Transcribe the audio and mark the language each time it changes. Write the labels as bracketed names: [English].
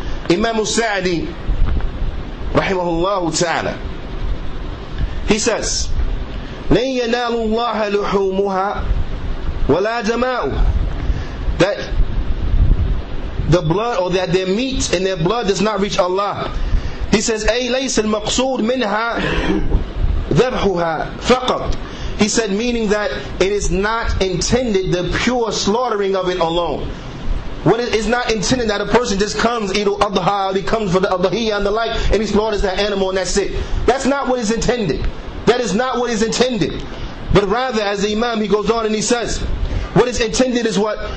[English] Imam Sa'di, rahimahullah ta'ala, he says, [Arabic] لَنْ يَنَالُ اللَّهَ لُحُومُهَا وَلَا دَمَاؤُهَا. [English] That the blood, or that their meat and their blood does not reach Allah. He says, [Arabic] أي ليس المقصود منها ذبحها فقط. [English] He said, meaning that it is not intended, the pure slaughtering of it alone. When it is not intended that a person just comes, Eid al-Adha, he comes for the Adhiyah and the like, and he slaughters that animal and that's it. That's not what is intended. That is not what is intended. But rather, as the Imam, he goes on and he says, what is intended is what?